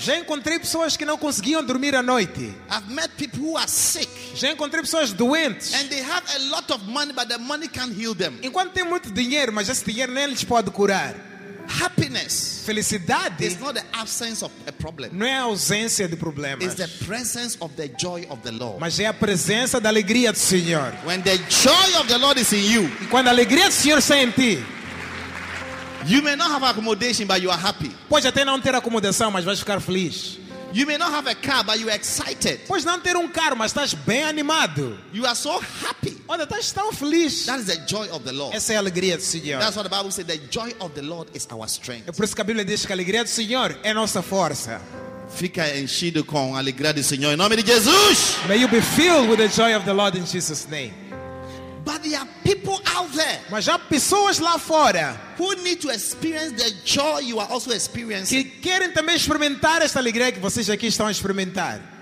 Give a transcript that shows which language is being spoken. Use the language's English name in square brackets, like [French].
[Portuguese] Já encontrei pessoas que não conseguiam dormir à noite. [English] I've met people who are sick. [Portuguese] Já encontrei pessoas doentes. [English] And they have a lot of money, but the money can't heal them. [Portuguese] Enquanto tem muito dinheiro, mas esse dinheiro nem lhes pode curar. [English] Happiness, [Portuguese] felicidade, [English] is not the absence of a problem. [Portuguese] Não é a ausência de problemas. [English] It's the presence of the joy of the Lord. [Portuguese] Mas é a presença da alegria do Senhor. [English] When the joy of the Lord is in you, [Portuguese] e quando a alegria do Senhor está em ti, [English] you may not have accommodation, but you are happy. [Portuguese] Pode até não ter acomodação, mas vais ficar feliz. [English] You may not have a car, but you are excited. [Portuguese] Pois não ter carro, mas estás bem animado. [English] You are so happy. [Portuguese] Olha, estás tão feliz. [English] That is the joy of the Lord. [Portuguese] Essa é a alegria do Senhor. [English] That's what the Bible says. The joy of the Lord is our strength. [Portuguese] É por isso que a Bíblia diz que a alegria do Senhor é nossa força. Fica enchido com a alegria do Senhor em nome de Jesus. [English] May you be filled with the joy of the Lord in Jesus' name. But there are people out there, [Portuguese] mas há pessoas lá fora, [English] who need to experience the joy you are also experiencing, [Portuguese] que querem também experimentar esta alegria que vocês aqui estão a experimentar.